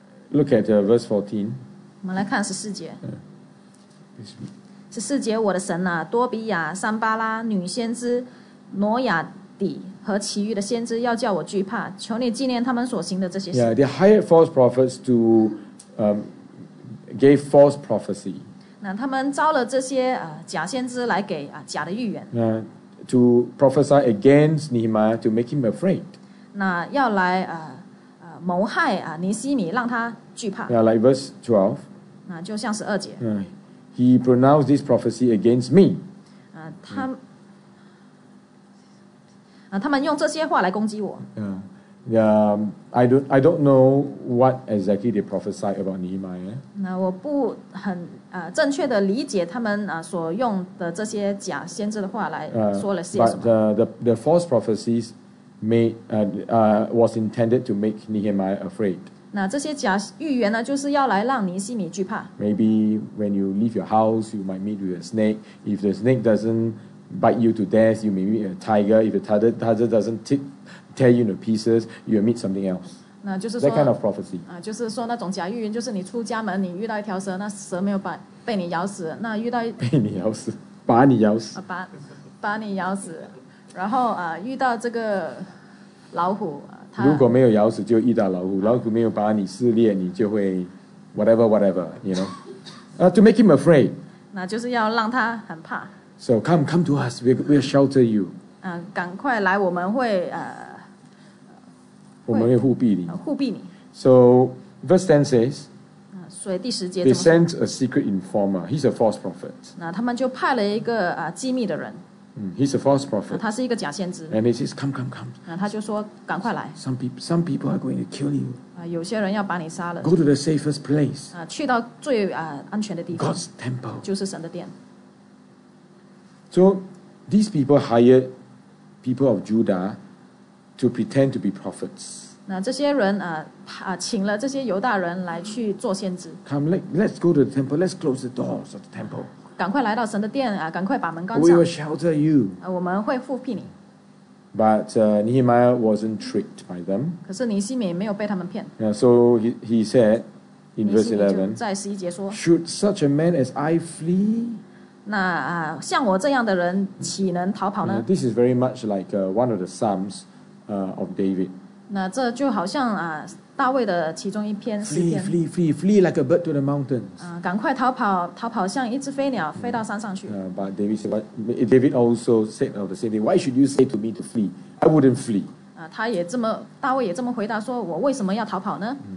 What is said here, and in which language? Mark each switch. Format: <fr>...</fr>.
<en>Look at verse 14.</en> <zh>我们来看14节。 14节, 我的神啊，多比亚、撒巴拉、女先知、挪亚底。和其余的先知要叫我惧怕，求你纪念他们所行的这些事。</zh> <en>Yeah, they hired false prophets to give false prophecy.</en> <zh>那他们招了这些假先知来给假的预言。</zh> <en>To prophesy against Nehemiah to make him afraid.</en> <zh>那要来谋害尼希米，让他惧怕。</zh> <en>Yeah, like verse 12.</en> <zh>那就像十二节。</zh> <en>He pronounced this prophecy against me.</en> <zh>他们用这些话来攻击我。</zh> <en>I don't know what exactly they prophesied about Nehemiah.</en> <zh>那我不很正确的理解他们所用的这些假先知的话来说了些什么。</zh> <en>But the false prophecies was intended to make Nehemiah afraid.</en> <zh>那这些假预言呢，就是要来让尼希米惧怕。</zh> <en>Maybe when you leave your house, you might meet with a snake. If the snake doesn't bite you to death, you may meet a tiger. If the tiger doesn't tear you into pieces, you will meet something else.</en> <zh>那就是说</zh> <en>that kind of prophecy.</en> <zh>就是说那种假预言，就是你出家门，你遇到一条蛇，那蛇没有被你咬死，那遇到被你咬死，把你咬死，把你咬死。然后遇到这个老虎，他如果没有咬死就遇到老虎，老虎没有把你撕裂，你就会</zh> <en>whatever，you know， to make him afraid，</en> <zh>那就是要让他很怕。</zh> <en>So come to us, we'll shelter you。</en> <zh>赶快来，我们会我们会护庇你，护庇你。</zh> <en>So verse 10 says。</en> <zh>所以第十节</zh> <en>they sent a secret informer. He's a false prophet.</en> <zh>那他们就派了一个机密的人。</zh> <en>He's a false prophet.</en> <zh>他是一个假先知。</zh> <en>And he says, come.</en> <zh>他就说赶快来。</zh> <en>Some people are going to kill you.</en> <zh>有些人要把你杀了。</zh> <en>Go to the safest place.</en> <zh>去到最安全的地方。</zh> <en>God's temple.</en> <zh>就是神的殿。</zh> <en>So these people hired people of Judah to pretend to be prophets.</en> <zh>那这些人请了这些犹大人来去做先知。</zh> <en>Come, let's go to the temple. Let's close the doors of the temple.</en> <zh>赶快来到神的殿赶快把门关上。</zh> <en>We will shelter you.</en> <zh>我们会护庇你。</zh> <en>But Nehemiah wasn't tricked by them.</en> <zh>可是尼希米没有被他们骗。</zh> <en>So he said in verse 11,</en> <zh>在十一节说</zh> <en>Should such a man as I flee?</en> <zh>那像我这样的人岂能逃跑呢？</zh> <en>This is very much like one of the Psalms of David.</en> <zh>那这就好像大卫的其中一篇诗篇。</zh> <en>Flee like a bird to the mountains.</en> <zh>赶快逃跑，逃跑像一只飞鸟飞到山上去。</zh> <en>But David also said of the same thing. Why should you say to me to flee? I wouldn't flee.</en> <zh>他也这么，大卫也这么回答说，我为什么要逃跑呢？</zh>